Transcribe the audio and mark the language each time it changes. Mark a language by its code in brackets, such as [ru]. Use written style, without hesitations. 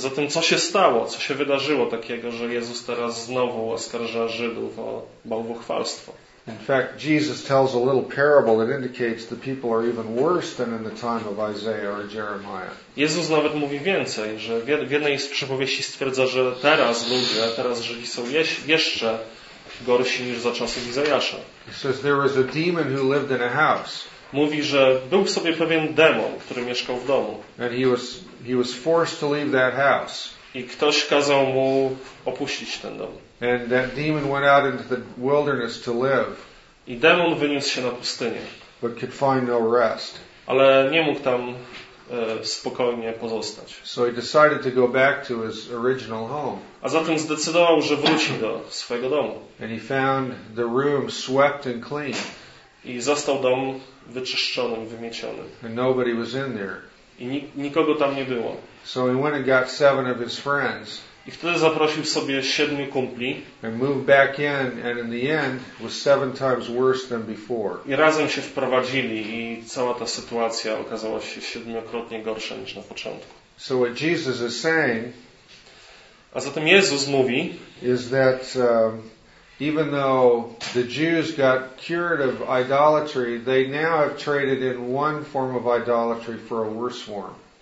[pl] Zatem co się stało? Co się wydarzyło takiego, że Jezus teraz znowu oskarża Żydów o bałwochwalstwo? [en] In fact, Jesus tells a little parable that indicates the people are even worse than in the time of Isaiah or Jeremiah. [pl] Jezus nawet mówi więcej, że w jednej z przypowieści stwierdza, że teraz Żydzi są jeszcze gorsi niż za czasów Izajasza. [en] He says there was a demon who lived in a house. [pl] Mówi, że był w sobie pewien demon, który mieszkał w domu. [en] And he was forced to leave that house. [pl] I ktoś kazał mu opuścić ten dom. [en] And that demon went out into the wilderness to live. [pl] I demon wyniósł się na pustynię. [en] But could find no rest. [pl] Ale nie mógł tam spokojnie pozostać. [en] So he decided to go back to his original home. [pl] A zatem zdecydował, że wróci do swojego domu. [en] And he found the room swept and clean. [pl] I został dom wyczyszczonym, wymiecionym. [en] And nobody was in there. [pl] I nikogo tam nie było. [en] So he went and got seven of his friends. [pl] I wtedy zaprosił sobie siedmiu kumpli. [en] And moved back in, and in the end was seven times worse than before. [pl] I razem się wprowadzili i cała ta sytuacja okazała się siedmiokrotnie gorsza niż na początku. [en] So what Jesus is saying, [pl] a zatem Jezus mówi, [en] is that even though the Jews got cured of idolatry, they now have traded in one form of idolatry for a worse form.